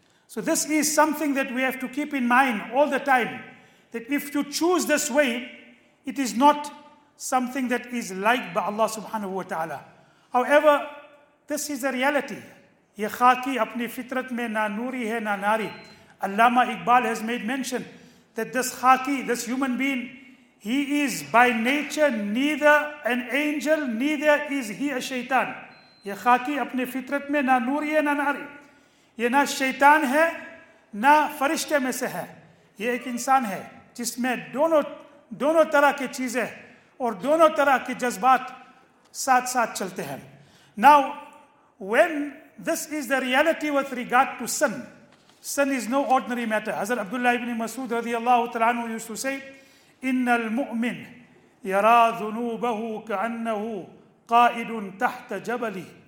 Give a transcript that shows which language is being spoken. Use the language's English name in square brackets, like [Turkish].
[English] So this is something that we have to keep in mind all the time that if you choose this way it is not something that is like by Allah سبحانہ و تعالی. However this is a reality. [Urdu] یہ خاکی اپنی فطرت میں نہ نوری ہے نہ ناری. [English] Allama Iqbal has made mention that this khaki, this human being, he is by nature neither an angel, neither is he a shaitan. [Urdu] یہ خاکی اپنی فطرت میں نہ نوری ہے نہ ناری. یہ نہ شیطان ہے نہ فرشتے میں سے ہے. یہ ایک انسان ہے جس میں دونوں طرح کی چیزیں اور دونوں طرح کے جذبات ساتھ ساتھ چلتے ہیں. [English] Now, when this is the reality with regard to sin. Sin is no ordinary matter. Hazrat Abdullah ibn Masood radiallahu ta'ala anhu used to say, [Arabic] "Inna al-mu'min yara dhunubahu ka'annahu qa'idun tahta jabali."